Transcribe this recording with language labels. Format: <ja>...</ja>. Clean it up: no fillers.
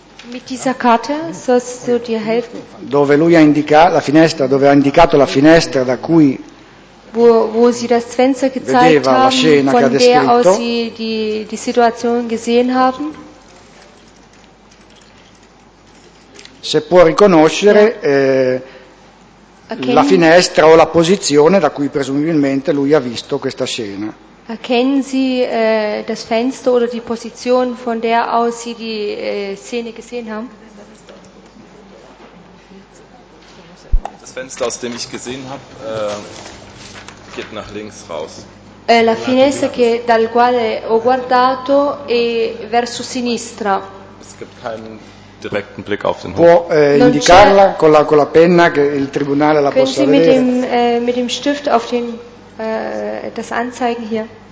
<de>Mit dieser Karte sollst du dir helfen.</de> <it>Dove lui ha indicato la finestra, dove ha indicato la finestra da cui</it> <de>wo sie das Fenster gezeigt haben, von der aus sie die Situation gesehen haben.</de> <it>Se può riconoscere la finestra o la posizione da cui presumibilmente lui ha visto questa scena.</it> <de>Erkennen Sie das Fenster oder die Position von der aus Sie die Szene gesehen haben? Das Fenster aus dem ich gesehen habe geht nach links raus.</de> <it>La finestra che dal quale ho guardato è verso sinistra.</it> <de>Es gibt keinen direkten Blick auf den Hof.</de> <it>Può indicarla con la penna che il tribunale la</it> <de>Können</de> <it>possa</it> <de>Sie</de> <it>vedere.</it> <de>Mit dem Stift auf den das anzeigen hier.</de>